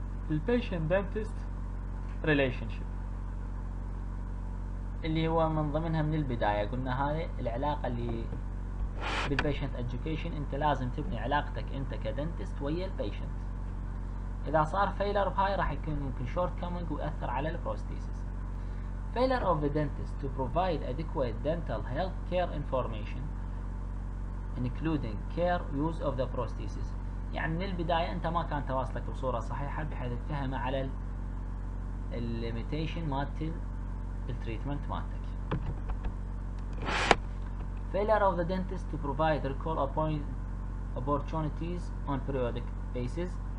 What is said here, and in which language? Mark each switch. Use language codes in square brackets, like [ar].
[ar] البيشنت دنتست ريليشن شيب اللي هو من ضمنها من البدايه قلنا هاي العلاقه اللي بالبيشنت اديوكيشن، انت لازم تبني علاقتك انت كدنتست ويا البيشنت. اذا صار فيلر بهاي راح يكون ممكن شورت كومينج وياثر على البروستيسيس. [en] Failure of the dentist to provide adequate dental health care information including care use of the prosthesis. [ar] يعني من البداية انت ما كان تواصلك بصورة صحيحة بحيث تفهم على ال limitation مالتل التريتمنت مالتك. [en] Failure of the dentist to provide recall opportunities on periodic basis.